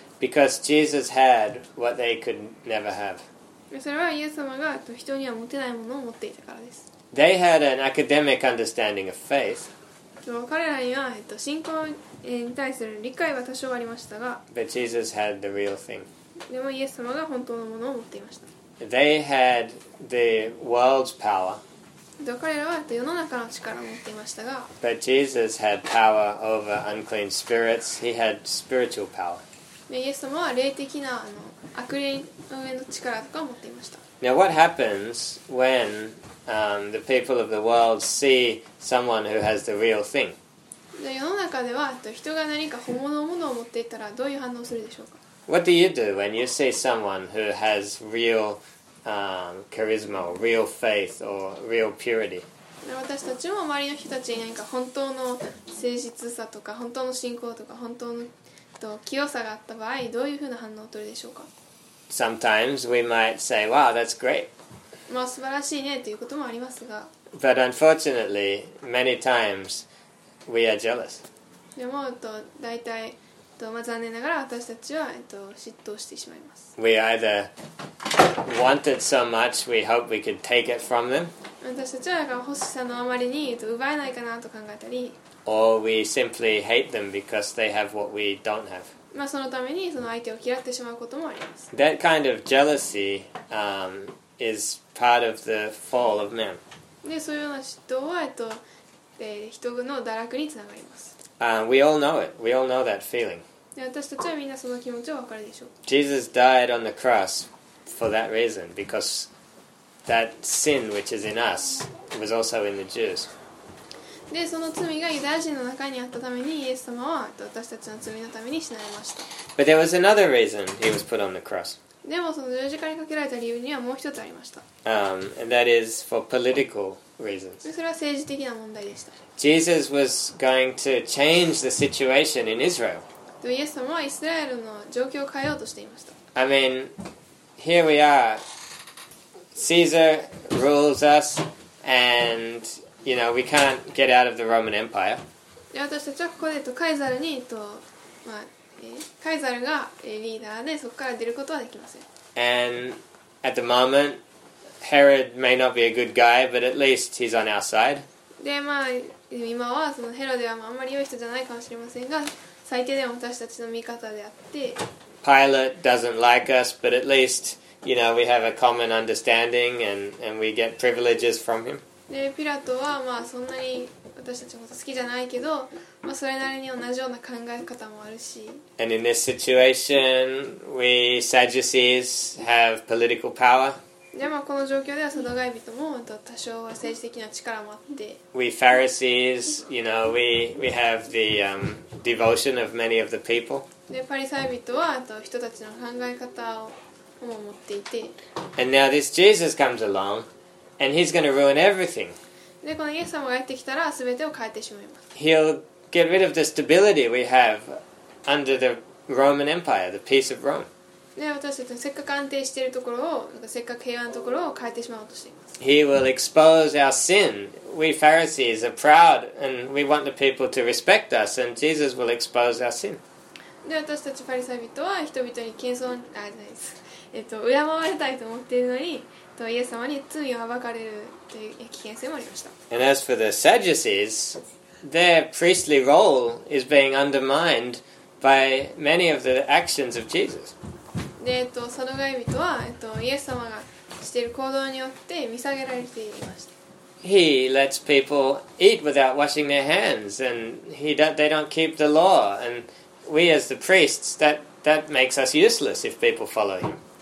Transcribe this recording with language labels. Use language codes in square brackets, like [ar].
[en] Because Jesus had what they could never have. [ja] それはイエス様が人には持てないものを持っていたからです。 [en] They had an academic understanding of faith. [ja] 彼らには信仰に対する理解は多少ありましたが、 [en] But Jesus had the real thing. [ja] でもイエス様が本当のものを持っていました。 [en] They had the world's power. [ja] 彼らは世の中の力を持っていましたが、 [en] But Jesus had power over unclean spirits. He had spiritual power. [ja] イエス様は霊的な悪霊の上の力とかを持っていました。 [en] Now what happens when, the people of the world see someone who has the real thing? [ja] 世の中では人が何か本物のものを持っていたらどういう反応するでしょうか? [en] What do you do when you see someone who has real, charisma, or real faith, or real purity? [ja] 私たちも周りの人たちに何か本当の誠実さとか本当の信仰とか本当の清さがあった場合どういうふうな反応を取るでしょうか [en] Sometimes we might say, wow, that's great. [ja] まあ素晴らしいねということもありますが [en] But unfortunately, many times we are jealous. [ja] でも大体、まあ、残念ながら私たちは、嫉妬してしまいます [en] We either want it so much we hope we could take it from them [ja] 私たちはなんか欲しさのあまりに奪えないかなと考えたり [en] Or we simply hate them because they have what we don't have. [ja] まあそのためにその相手を嫌ってしまうこともあります。 [en] That kind of jealousy, is part of the fall of man. [ja] で、そういうような嫉妬は、人の堕落につながります。 [en] We all know it. We all know that feeling. [ja] で、私たちはみんなその気持ちをわかるでしょう。 [en] Jesus died on the cross for that reason, because that sin which is in us was also in the Jews. [ja] で、その罪がユダヤ人の中にあったためにイエス様は私たちの罪のために死なれました。 [en] But there was another reason he was put on the cross. [ja] でもその十字架にかけられた理由にはもう一つありました。 [en] And that is for political reasons. [ja] で、それは政治的な問題でした。 [en] Jesus was going to change the situation in Israel. [ja] で、イエス様はイスラエルの状況を変えようとしていました。 [en] I mean, here we are. Caesar rules us and... You know, we can't get out of the Roman Empire. [ja] 私たちはここでカエザルに、まあ、カエザルがリーダーでそこから出ることはできません。 [en] And at the moment, Herod may not be a good guy, but at least he's on our side. [ja] で、まあ、今はそのヘロデはあんまり良い人じゃないかもしれませんが、最低でも私たちの味方であって。 [en] Pilate doesn't like us, but at least, you know, we have a common understanding and we get privileges from him. [ja] でピラトはまあそんなに私たちも好きじゃないけど、まあ、それなりに同じような考え方もあるし。 [en] And in this situation, we Sadducees have political power. [ja] でもこの状況ではサドガイ人も多少は政治的な力もあって。 [en] We Pharisees, you know, we have the devotion of many of the people. [ja] でパリサイ人はあと人たちの考え方をも持っていて。 [en] And now this Jesus comes along. And he's going to ruin everything. [ja] で、このイエス様がやってきたら全てを変えてしまいます。 [en] He'll get rid of the stability we have under the Roman Empire, the peace of Rome. [ja] で、私たちのせっかく安定しているところを、なんかせっかく平和のところを変えてしまおうとしています。 [en] He will expose our sin. We Pharisees are proud and we want the people to respect us and Jesus will expose our sin. [ja] で、私たちファリサイ人は人々に謙遜、敬われたいと思っているのに、とイエス様に罪を暴かれるという危険性もありました。 [en] And as for the Sadducees, their priestly role is being undermined by many of the actions of Jesus. [ja] で、サドガイ人は、イエス様がしている行動によって見下げられていました。 [en] He lets people eat without washing their hands, and they don't keep the law. And we as the priests, that makes us useless if people follow him.